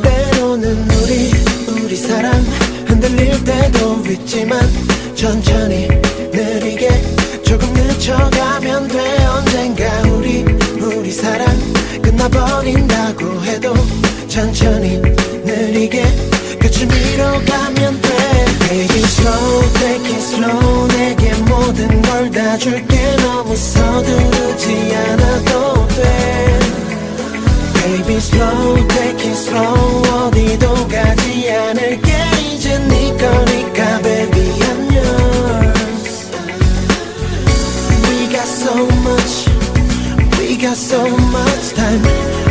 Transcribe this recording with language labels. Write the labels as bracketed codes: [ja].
[ko] 때로는 우리 사랑 흔들릴 때도 있지만 천천히 느리게 조금 늦춰가면 돼. 언젠가 우리 사랑 끝나버린다고 해도 천천히 느리게 끝을 밀어가면 돼. [en] Take it slow, take it slow. [ko] 내게 모든 걸 다 줄게. 너무 서두르지 않아도 돼. [en] Baby slow, take it slow. [ko] 어디도 가지 않을게. 이제 네 거니까 [en] baby I'm yours. We got so much, we got so much time.